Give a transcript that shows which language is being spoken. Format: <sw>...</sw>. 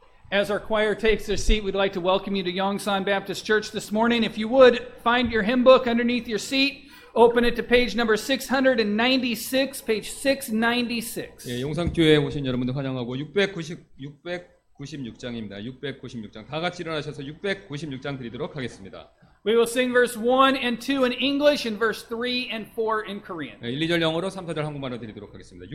<en>As our choir takes their seat, we'd like to welcome you to Yongsan Baptist Church this morning. If you would, find your hymn book underneath your seat. Open it to page number 696, page 696.</en> <ko>예, 용산교회에 오신 여러분들 환영하고 696장입니다. 696장. 다 같이 일어나셔서 696장 드리도록 하겠습니다.</ko> <en>We will sing verse 1 and 2 in English and verse 3 and 4 in Korean.</en> <ko>예, 1, 2절 영어로 3, 4절 한국말로 드리도록 하겠습니다.</ko>